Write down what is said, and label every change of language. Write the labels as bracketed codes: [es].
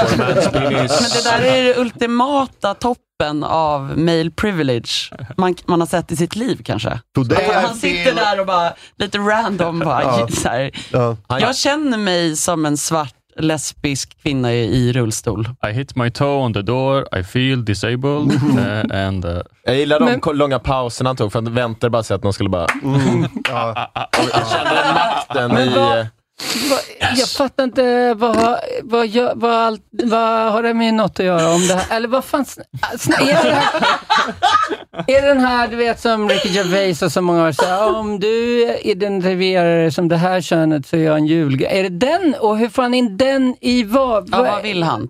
[sv] Men det där är det ultimata toppen av [en] male privilege [sv] man har sett i sitt liv kanske. Han sitter där och bara lite random. Jag känner mig som en svart lesbisk kvinna i rullstol. [en] I hit my toe on the door, I feel disabled. [sv] Jag gillar de långa pauserna han tog, för han väntar bara så att någon skulle bara jag fattar inte vad har det med något att göra om det här, eller vad fan är den här, du vet, som Ricky Gervais och så många har sagt, om du identifierar dig som det här könet så är jag en julgrej, är det den, och hur fan är den i vad vill han?